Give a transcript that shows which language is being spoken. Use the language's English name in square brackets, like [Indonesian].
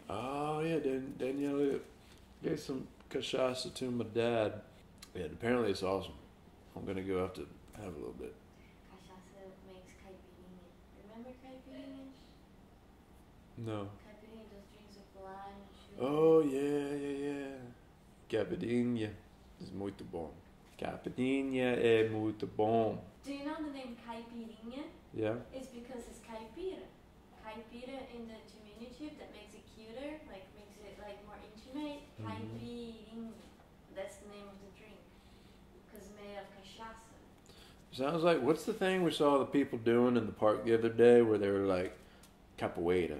[English] Oh yeah, Daniela gave some cachaça to my dad. Yeah, and apparently it's awesome. I'm gonna go have to have a little bit. Cachaça makes caipirinha. Remember caipirinha? No. Caipirinha, those drinks of lime, sugar. Oh yeah, yeah, yeah. [Portuguese] Caipirinha [English] is [Portuguese] muito bom. Caipirinha é muito bom. [English] Do you know the name caipirinha? Yeah. It's because it's caipira. Caipira in the diminutive that makes it cuter, like makes it like more intimate. Mm-hmm. Caipirinha. That's the name of the drink. Because it's made of cachaça. Sounds like, what's the thing we saw the people doing in the park the other day where they were like, capoeira.